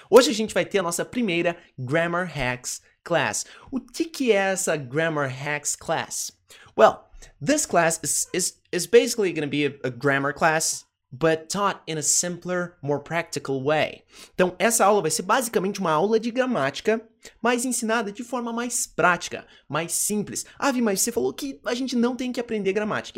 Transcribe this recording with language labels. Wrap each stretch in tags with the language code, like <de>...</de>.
<pt>Hoje a gente vai ter a nossa primeira Grammar Hacks class. O que é essa Grammar Hacks class?</pt> <en>Well, this class is basically gonna be a grammar class, but taught in a simpler, more practical way.</en> <pt>Então, essa aula vai ser basicamente uma aula de gramática, mas ensinada de forma mais prática, mais simples. Ah, Vi, mas você falou que a gente não tem que aprender gramática.</pt>